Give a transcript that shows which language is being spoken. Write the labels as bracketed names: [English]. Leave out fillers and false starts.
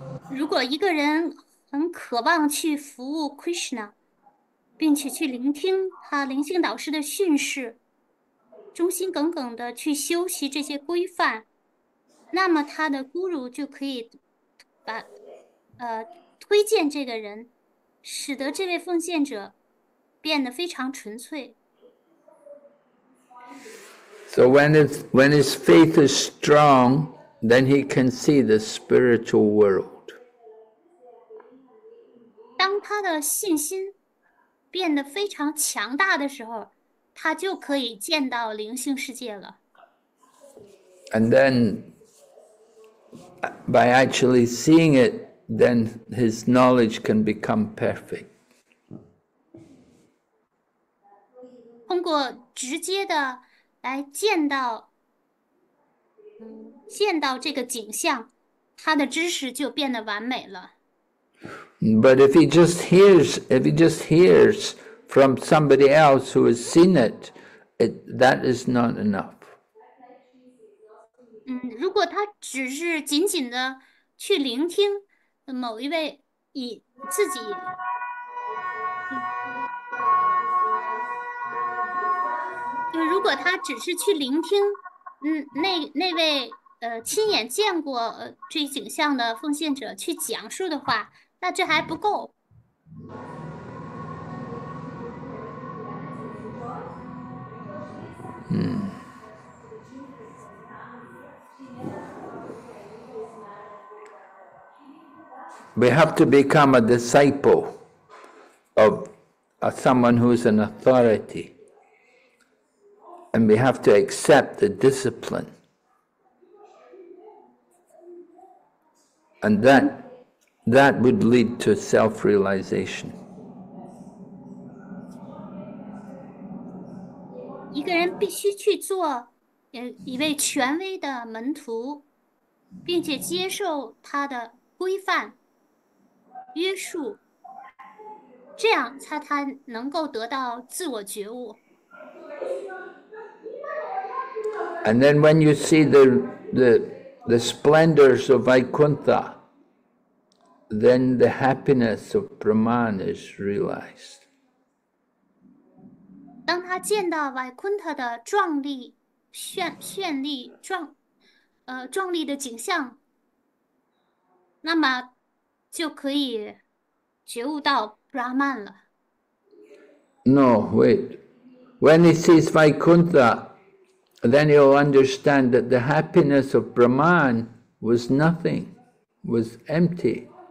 [Chinese] 如果一个人很渴望去服务 Krishna， 并且去聆听他灵性导师的训示，忠心耿耿地去修习这些规范，那么他的 guru 就可以把推荐这个人，使得这位奉献者变得非常纯粹。 [English] So when his faith is strong, then he can see the spiritual world. [Chinese] 当他的信心变得非常强大的时候，他就可以见到灵性世界了。 [English] And then, by actually seeing it, then his knowledge can become perfect. [Chinese] 通过直接的来见到这个景象，他的知识就变得完美了。 [English] But if he just hears from somebody else who has seen it, that is not enough. [Chinese] 如果他只是仅仅的去聆听某一位以自己，如果他只是去聆听，那位亲眼见过这景象的奉献者去讲述的话。那这还不够。 [English] We have to become a disciple of someone who is an authority, and we have to accept the discipline, and then. That would lead to self-realization. [Chinese] 一个人必须去做一位权威的门徒，并且接受他的规范、约束，这样他能够得到自我觉悟。 [English] And then when you see the the splendors of Vaikuntha, then the happiness of Brahman is realized. [Chinese] 当他见到 Vaikuntha 的壮丽、绚丽、壮，壮丽的景象，那么就可以觉悟到 Brahman 了。 [English] No, wait. When he sees Vaikuntha, then he'll understand that the happiness of Brahman was nothing, was empty.